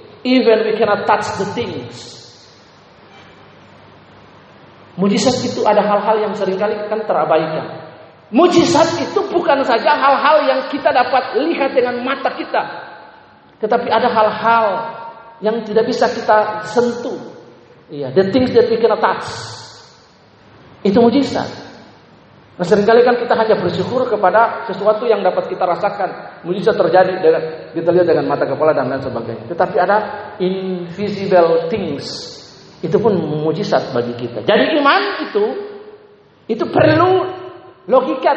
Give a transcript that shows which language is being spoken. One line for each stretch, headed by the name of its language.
English: Even we cannot touch the things.
Indonesian: Mujizat itu ada hal-hal yang seringkali kan terabaikan. Mujizat itu bukan saja hal-hal yang kita dapat lihat dengan mata kita. Tetapi ada hal-hal yang tidak bisa kita sentuh.
English: The things that we cannot touch.
Indonesian: Itu mujizat. Nah, seringkali kan kita hanya bersyukur kepada sesuatu yang dapat kita rasakan. Mujizat terjadi dengan kita lihat dengan mata kepala dan lain sebagainya. Tetapi ada
English: invisible things.
Indonesian: Itu pun mujizat bagi kita. Jadi iman itu perlu logika.